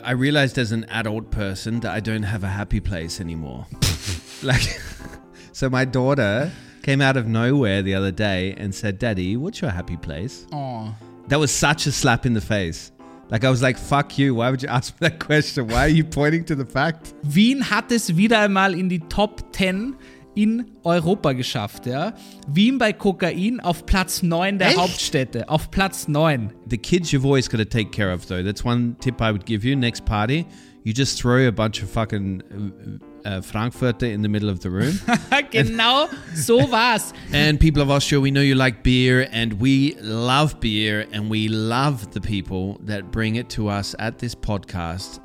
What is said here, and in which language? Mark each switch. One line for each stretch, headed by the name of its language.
English: I realized as an adult person that I don't have a happy place anymore. Like, so my daughter came out of nowhere the other day and said, "Daddy, what's your happy place?" Aww. That was such a slap in the face. Like, I was like, fuck you. Why would you ask me that question? Why are you pointing to the fact?
German: Wien hat es wieder einmal in die Top 10 in Europa geschafft, ja. Wien bei Kokain auf Platz 9 der Echt? Hauptstädte. Auf Platz 9.
English: The kids you've always got to take care of, though. That's one tip I would give you. Next party, you just throw a bunch of fucking Frankfurter in the middle of the room.
German: Genau, so war's.
English: And people of Austria, we know you like beer and we love beer and we love the people that bring it to us at this podcast.